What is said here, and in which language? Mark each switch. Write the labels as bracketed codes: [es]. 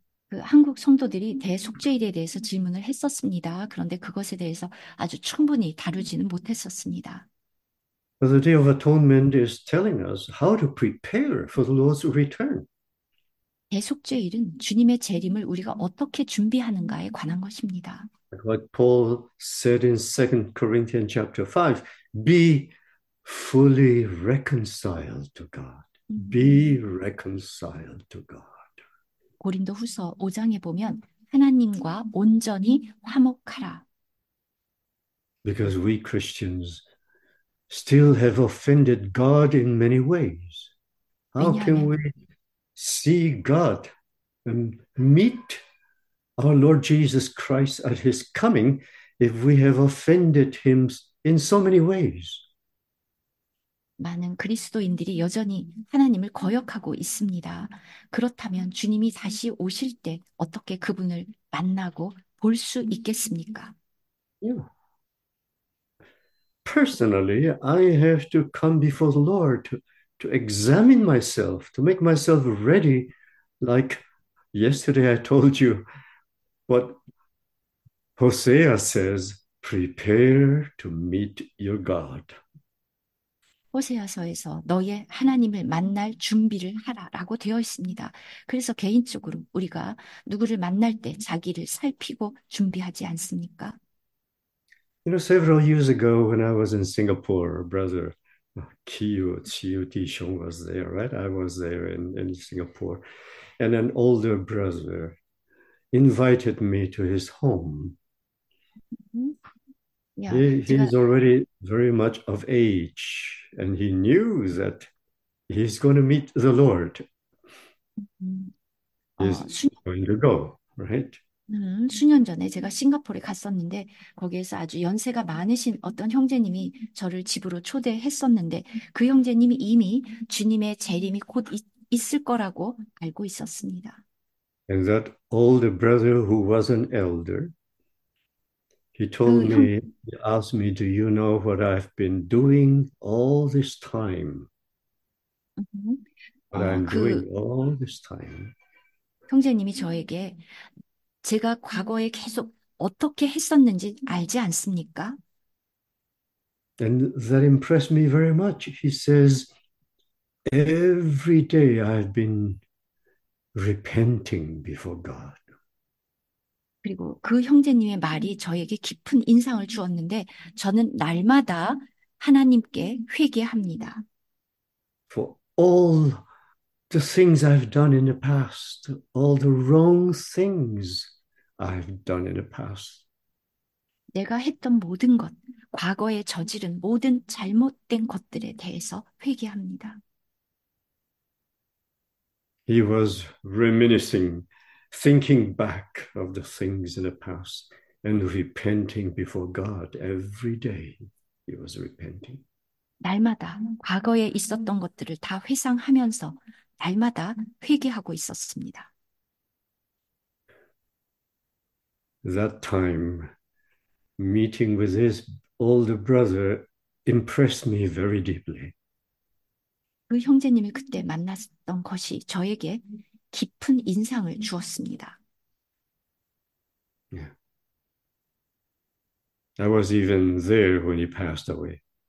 [ko] 그 한국 성도들이 대속죄일에 대해서 질문을 했었습니다. 그런데 그것에 대해서 아주 충분히 다루지는 못했었습니다. [en] The Day of Atonement is telling us how to prepare for the Lord's return. [ko] 대속죄일은 주님의 재림을 우리가 어떻게 준비하는가에 관한 것입니다. [en] What Paul said in 2 Corinthians chapter 5, be fully reconciled to God. Be reconciled to God. [ko] 고린도후서 5장에 보면 하나님과 온전히 화목하라. [en] Because we Christians still have offended God in many ways. How can we [ko] 왜냐하면 [en] see God and meet our Lord Jesus Christ at his coming if we have offended him in so many ways? [ko] 많은 그리스도인들이 여전히 하나님을 거역하고 있습니다. 그렇다면 주님이 다시 오실 때 어떻게 그분을 만나고 볼수 있겠습니까? [en] Personally, I have to come before the Lord to examine myself, to make myself ready. Like yesterday, I told you what Hosea says, prepare to meet your God. [ko] 호세아서에서 너의 하나님을 만날 준비를 하라라고 되어 있습니다. 그래서 개인적으로 우리가 누구를 만날 때 자기를 살피고 준비하지 않습니까? [en] Several years ago, when I was in Singapore, Brother Kiyo Chiyuti-shung was there, right? I was there in Singapore, and an older brother invited me to his home. He's already very much of age, and he knew that he's going to meet the Lord. He's going to go, right? [ko] 수년 전에 제가 싱가포르에 갔었는데 거기에서 아주 연세가 많으신 어떤 형제님이 저를 집으로 초대했었는데 그 형제님이 이미 주님의 재림이 곧 있을 거라고 알고 있었습니다. [en] And that older brother who was an elder, he told [ko] 그 형. [en] me, he asked me, do you know what I've been doing all this time? What I'm [ko] 그 [en] doing all this time? [ko] 형제님이 저에게 제가 과거에 계속 어떻게 했었는지 알지 않습니까? [en] And that impressed me very much. He says, every day I've been repenting before God. [ko] 그리고 그 형제님의 말이 저에게 깊은 인상을 주었는데 저는 날마다 하나님께 회개합니다. [en] For all the things I've done in the past, all the wrong things I've done in the past. [ko] 내가 했던 모든 것, 과거에 저지른 모든 잘못된 것들에 대해서 회개합니다. [en] He was reminiscing, thinking back of the things in the past and repenting before God. Every day he was repenting. [ko] 날마다 과거에 있었던 것들을 다 회상하면서 날마다 회개하고 있었습니다. [en] That time, meeting with his older brother impressed me very deeply. [ko] 그 형제님을 그때 만났던 것이 저에게 깊은 인상을 주었습니다. [en] I was even there when he passed away.